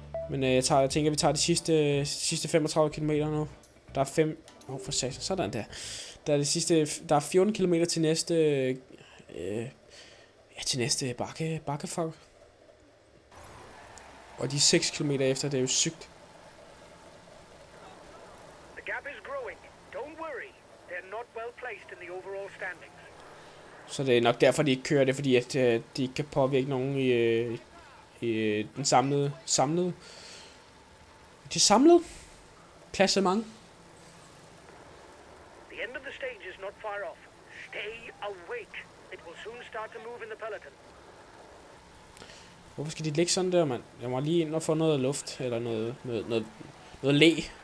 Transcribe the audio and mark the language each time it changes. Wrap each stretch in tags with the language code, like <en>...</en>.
<da>Men jeg tænker, at vi tager de sidste 35 km nu. Der er 5... Åh, for satan. Sådan der. Der er 14 km til næste... til næste bakkefuck. Og de 6 km efter, det er jo sygt.</da> <en>The gap is growing. Don't worry. They're not well placed in the overall standings.</en> <da>Så det er nok derfor, de ikke kører det, fordi at de ikke kan påvirke nogen i den samlede. Det er samlet. Klasse mange.</da> <en>The end of the stage is not far off. Stay awake. It will soon start to move in the peloton.</en> <da>Hvorfor skal de ligge sådan der, mand? Jeg må lige ind og få noget luft eller noget læ.</da>